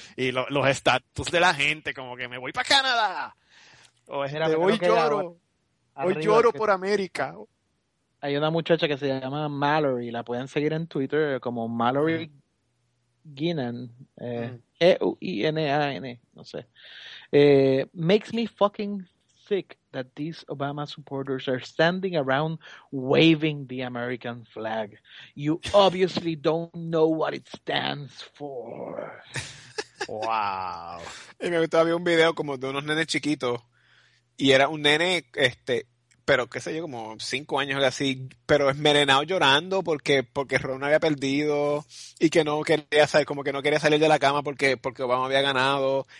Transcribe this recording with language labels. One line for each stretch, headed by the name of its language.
Spanish: Y los estatus de la gente, como que me voy para Canadá. O es de hoy lloro por América. Hay una muchacha que se llama Mallory, la pueden seguir en Twitter como Mallory Guinan, E-U-I-N-A-N, no sé.
English: Makes me fucking sick that these Obama supporters are standing around waving the American flag. You obviously don't know what it stands for. Wow.
Spanish: Y me gustó, había un video como de unos nenes chiquitos, y era un nene, pero qué sé yo, como 5 años o así, pero esmerenado llorando porque Ron había perdido y que no quería salir, como que no quería salir de la cama porque Obama había ganado.